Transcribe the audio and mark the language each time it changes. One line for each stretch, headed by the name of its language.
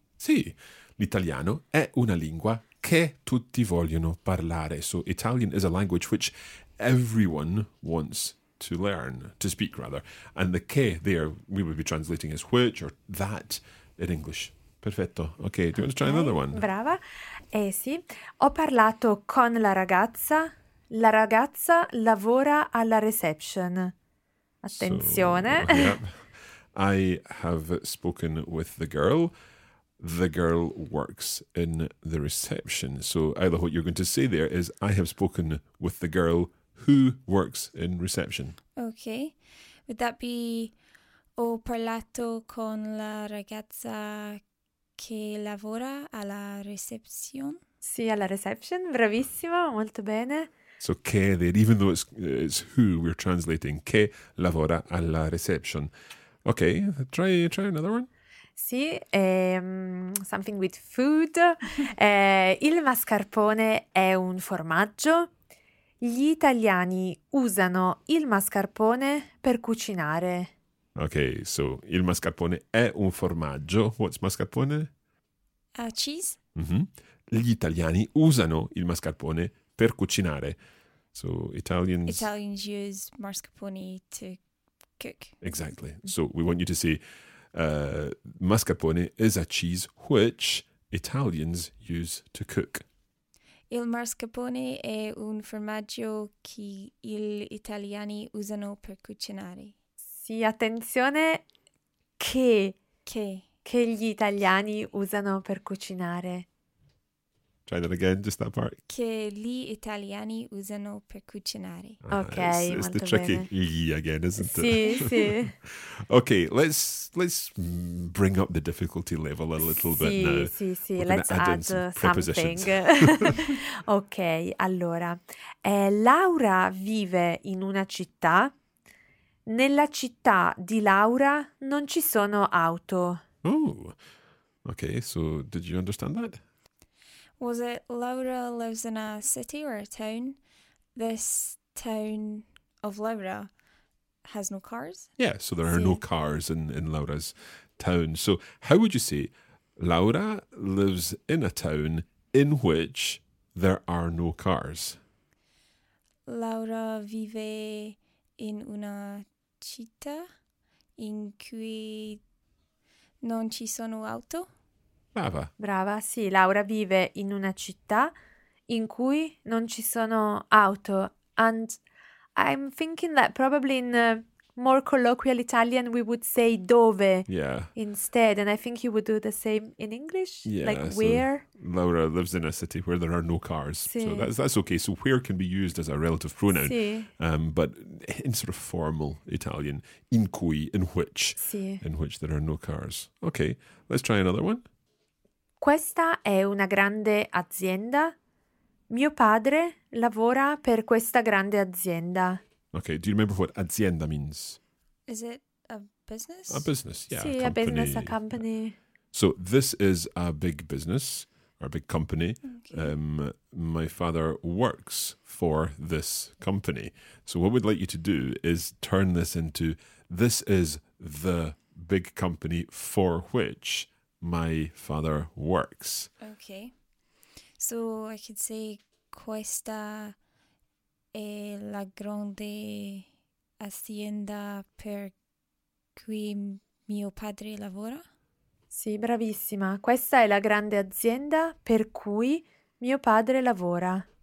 Italian: Sì, l'italiano è una lingua che tutti vogliono parlare.
English: So Italian is a language which everyone wants to learn, to speak rather. And the che there, we would be translating as which or that in English. Perfetto. Okay, do you want to try another one?
Italian: Brava. Sì. Ho parlato con la ragazza. La ragazza lavora alla reception. Attenzione.
English: So, okay, I have spoken with the girl. The girl works in the reception. So, Ayla, what you're going to say there is, I have spoken with the girl who works in reception. Okay. Would that be,
Italian: ho parlato con la ragazza che lavora alla reception? Sì, alla reception. Bravissima, molto bene.
English: So, che there, even though it's who we're translating,
Italian: che lavora alla reception.
English: Okay, try another one. Sì, something with food.
Italian: Il mascarpone è un formaggio. Gli italiani usano il mascarpone per cucinare. Ok, so il mascarpone è un formaggio.
English: What's mascarpone? Cheese. Mm-hmm.
Italian: Gli italiani usano il mascarpone per cucinare.
English: So Italians use mascarpone to cook. Exactly. So we want you to say, mascarpone is a cheese which Italians use to cook.
Italian: Il mascarpone è un formaggio che gli italiani usano per cucinare. Sì, attenzione, che gli italiani usano per cucinare.
English: Try that again, just that part.
Italian: Che gli italiani usano per cucinare.
English: Ok, it's
Italian: molto bene.
English: It's the tricky gli again, isn't
Italian: sì,
English: it?
Italian: Sì, sì.
English: Ok, let's bring up the difficulty level a little
Italian: sì,
English: bit now. Sì, sì, let's add something. Ok, allora.
Italian: Laura vive in una città. Nella città di Laura non ci sono auto.
English: Oh, ok, so did you understand that? Was it Laura lives in a city or a town? This town of Laura has no cars? Yeah, so there are no cars in Laura's town. So how would you say Laura lives in a town in which there are no cars?
Italian: Laura vive in una città in cui non ci sono auto. Brava. Brava, sì, Laura vive in una città in cui non ci sono auto.
English: And I'm thinking that probably in more colloquial Italian we would say dove instead. And I think you would do the same in English, like where. So Laura lives in a city where there are no cars.
Italian: Sì.
English: So that's okay. So where can be used as a relative pronoun.
Italian: Sì.
English: But in sort of formal Italian,
Italian: in cui,
English: in which, in which there are no cars. Okay, let's try another one.
Italian: Questa è una grande azienda. Mio padre lavora per questa grande azienda.
English: Okay, do you remember what azienda means? Is it a business? A business, yeah. Sì, a business, a company. So this is a big business, or a big company. Okay. My father works for this company. So what we'd like you to do is turn this into, this is the big company for which my father works. Okay. So I could say,
Italian: questa è la grande azienda per cui mio padre lavora? Sì, bravissima. Questa è la grande azienda per cui mio padre lavora.